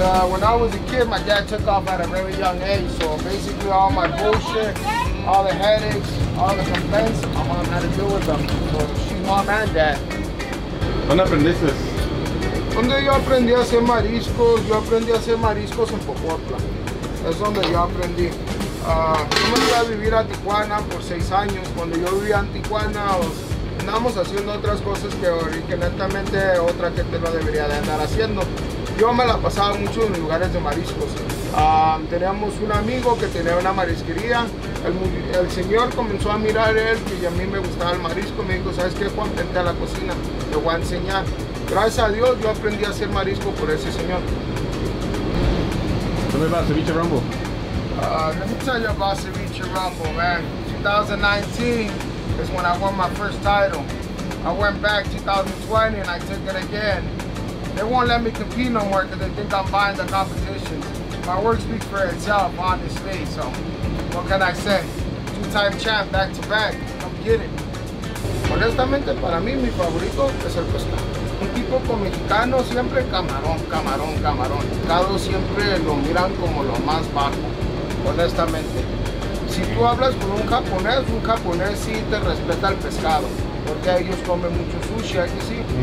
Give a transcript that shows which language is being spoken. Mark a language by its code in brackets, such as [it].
[en] When I was a kid, my dad took off at a very young age, so basically all my bullshit, all the headaches, all the complaints, my mom had to deal with them. So she's mom and dad. [es] ¿Dónde aprendiste? Donde yo aprendí a hacer mariscos, yo aprendí a hacer mariscos en Popotla. Es donde yo aprendí. Yo me iba a vivir a Tijuana por 6 años. Cuando yo vivía en Tijuana, andamos haciendo otras cosas que netamente otra gente no debería de andar haciendo. Yo me la pasaba mucho en lugares de mariscos. Teníamos un amigo que tenía una marisquería. El señor comenzó a mirar él y a mí me gustaba el marisco. Me dijo, ¿sabes qué, Juan? Vente a la cocina, te voy a enseñar. Gracias a Dios, yo aprendí a hacer marisco por ese señor. [en] Tell me about ceviche rumbo. Let me tell you about ceviche rumbo, man. 2019 is when I won my first title. I went back 2020 and I took it again. They won't let me compete no more because they think I'm buying the competition. My work speaks for itself, honestly, so what can I say? Two-time champ, back-to-back, I'm getting it. [es] Honestamente, para mí, mi favorito es el pescado. Un tipo como mexicano siempre camarón. El pescado siempre lo miran como lo más bajo, honestamente. Si tú hablas con un japonés sí te respeta el pescado, porque ellos comen mucho sushi, ¿a que sí?